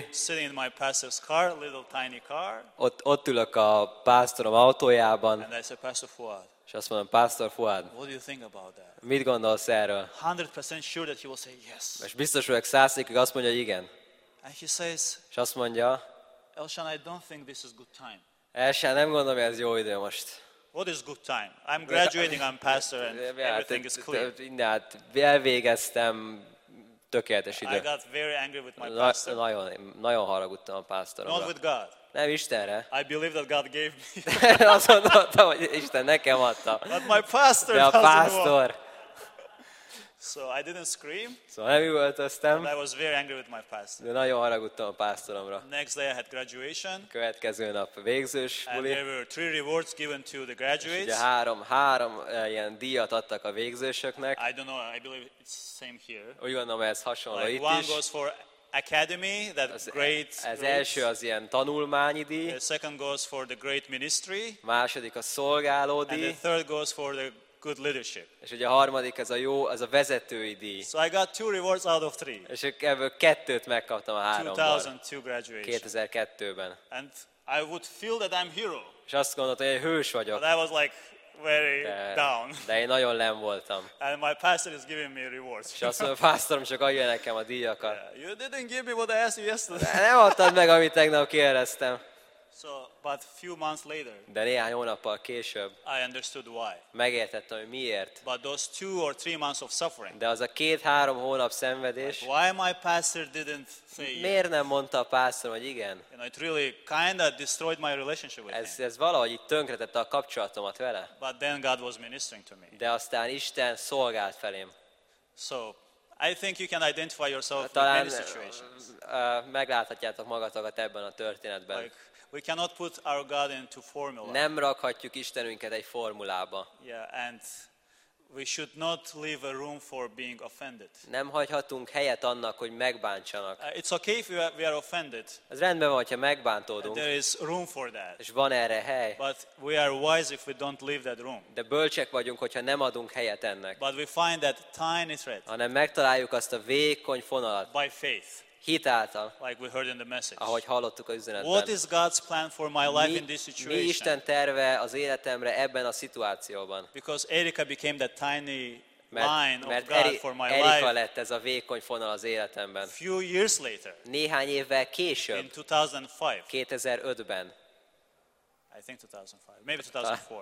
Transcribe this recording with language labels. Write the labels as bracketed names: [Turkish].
[English] I'm sitting in my pastor's car, little tiny car. [Hungarian] Ott ülök a pásztorom autójában. [English] And I said, Pastor Fuad. [Hungarian] És azt mondom, Pásztor Fuad, [English] what do you think about that? [Hungarian] Mit gondolsz erről? [English] 100% sure that he will say yes. [Hungarian] És biztos vagyok, 100%-ig azt mondja, hogy igen. [English] And he says, [Hungarian] és azt mondja, [English] Elshan, I don't think this is good time. [Hungarian] Elshan, nem gondolom, hogy ez jó idő most. [English] What is good time? I'm graduating, I'm pastor, and everything is clear. [Hungarian] Elvégeztem, tökéletes idő. [English] I got very angry with my pastor. [Hungarian] Nagyon haragudtam a pásztoromra. [English] Not with God. [Hungarian] Nem Istenre. [English] I believe that God gave me. [Hungarian] Azt mondottam, hogy Isten nekem adta. [English] But my pastor. [Hungarian] De a pásztor. [English] So I didn't scream. [Hungarian] So nem üvöltöztem. [English] I was very angry with my pastor. [Hungarian] De nagyon haragudtam a pásztoromra. [English] Next day I had graduation. [Hungarian] Következő nap végzős buli. [English] And there were three rewards given to the graduates. [Hungarian] És ugye három ilyen díjat adtak a végzősöknek. [English] I don't know. I believe it's same here. [Hungarian] Úgy gondolom, ez hasonló [English] like [Hungarian] itt [English] one is. Goes for Academy, that az, great. [Hungarian] Az első az ilyen tanulmányi díj. [English] The second goes for the great ministry. [Hungarian] Második a szolgáló díj. [English] And the third goes for the good leadership. [Hungarian] És ugye a harmadik az a jó, az a vezetői díj. [English] So I got two rewards out of three. [Hungarian] És ebből kettőt megkaptam a háromból. [English] 2002 graduation. [Hungarian] 2002-ben. [English] And I would feel that I'm hero. [Hungarian] És azt gondoltam, hogy én hős vagyok. [English] But I was like very down. [Hungarian] De én nagyon lem voltam. [English] And my pastor is giving me rewards. [Hungarian] És azt mondja, a pásztorom csak adja nekem a díjakat. [English] Yeah, you didn't give me what I asked you yesterday. [Hungarian] Nem adtad meg, amit tegnap kérdeztem. [English] So, but few months later. [Hungarian] De néhány hónappal később. [English] I understood why. [Hungarian] Megértettem, hogy miért. [English] But those two or three months of suffering. [Hungarian] De az a két-három hónap szenvedés. [English] Like why my pastor didn't say yes. [Hungarian] Miért nem mondta a pásztorom, hogy igen? [English] You know, it really kind of destroyed my relationship with [Hungarian] ez, [English] him. [Hungarian] Ez valahogy így tönkretette a kapcsolatomat vele. [English] But then God was ministering to me. [Hungarian] De aztán Isten szolgált felém. [English] So, I think you can identify yourself with many situations. [Hungarian] Megláthatjátok magatokat ebben a történetben. [English] Like, we cannot put our God into formula. [Hungarian] Nem rakhatjuk Istenünket egy formulába. [English] Yeah, and we should not leave a room for being offended. [Hungarian] Nem hagyhatunk helyet annak, hogy megbántsanak. [English] It's okay if we are offended. [Hungarian] Ez rendben van, ha megbántódunk. [English] There is room for that. [Hungarian] És van erre hely. [English] But we are wise if we don't leave that room. [Hungarian] De bölcsek vagyunk, hogyha nem adunk helyet ennek. [English] But we find that tiny thread. [Hungarian] Hanem megtaláljuk azt a vékony fonalat. [English] By faith. [Hungarian] Hit által, [English] like we heard in the message. [Hungarian] Ahogy hallottuk az üzenetben. [English] What is God's plan for my life in this situation? [Hungarian] Mi Isten terve az életemre ebben a szituációban? [English] Because Erika became that tiny line [Hungarian] mert [English] of God for my Erika life. [Hungarian] Lett ez a vékony fonal az életemben. [English] Few years later. [Hungarian] Néhány évvel később. [English] In 2005. [Hungarian] 2005-ben. [English] I think 2005. Maybe 2004.